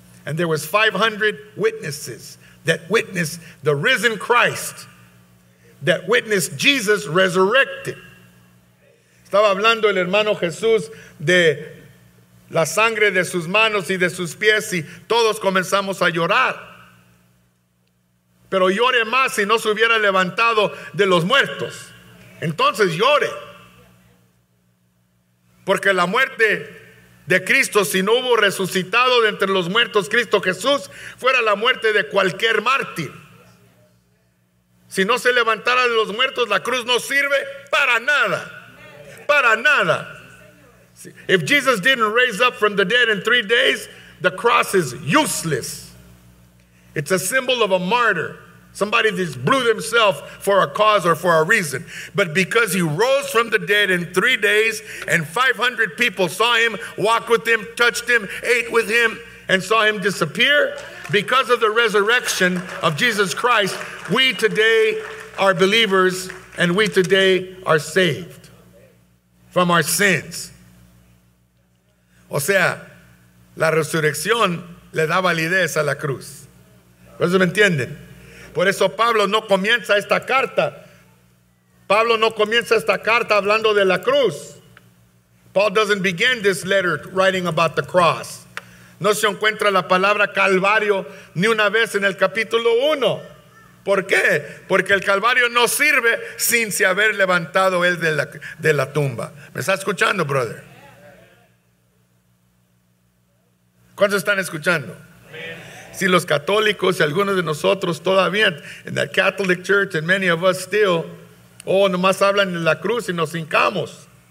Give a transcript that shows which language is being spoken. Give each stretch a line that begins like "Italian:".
English: And there was 500 witnesses that witnessed the risen Christ, that witnessed Jesus resurrected.
Spanish: Estaba hablando el hermano Jesús de la sangre de sus manos y de sus pies, y todos comenzamos a llorar. Pero llore más si no se hubiera levantado de los muertos. Entonces llore. Porque la muerte de Cristo, si no hubo resucitado de entre los muertos Cristo Jesús, fuera la muerte de cualquier mártir. Si no se levantara de los muertos, la cruz no sirve para nada. Para nada.
English: If Jesus didn't raise up from the dead in 3 days, the cross is useless. It's a symbol of a martyr, somebody that blew themselves for a cause or for a reason. But because he rose from the dead in 3 days, and 500 people saw him, walked with him, touched him, ate with him, and saw him disappear, because of the resurrection of Jesus Christ, we today are believers, and we today are saved from our sins.
Spanish: O sea, la resurrección le da validez a la cruz. ¿Ustedes me entienden? Por eso Pablo no comienza esta carta. Pablo no comienza esta carta hablando de la cruz.
English: Paul doesn't begin this letter writing about the cross.
Spanish: No se encuentra la palabra calvario ni una vez en el capítulo 1. ¿Por qué? Porque el calvario no sirve sin se haber levantado él de la tumba. ¿Me está escuchando, brother? ¿Cuántos están escuchando? Amen. Si los católicos y algunos de nosotros todavía, en la
English: Catholic Church, and many of us still,
Spanish: nomás hablan de la cruz y nos hincamos.